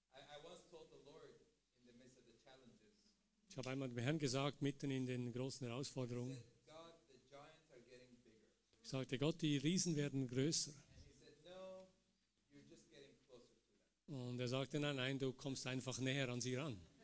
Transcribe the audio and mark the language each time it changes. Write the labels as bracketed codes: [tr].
[en] I once told the Lord in the midst of the challenges. [de] Ich habe einmal dem Herrn gesagt, mitten in den großen Herausforderungen. [en] God, the giants are getting bigger. [de] Ich sagte, Gott, die Riesen werden größer. [en] And he said, no, you're just getting closer to them. [de] Und er sagte, nein, du kommst einfach näher an sie ran.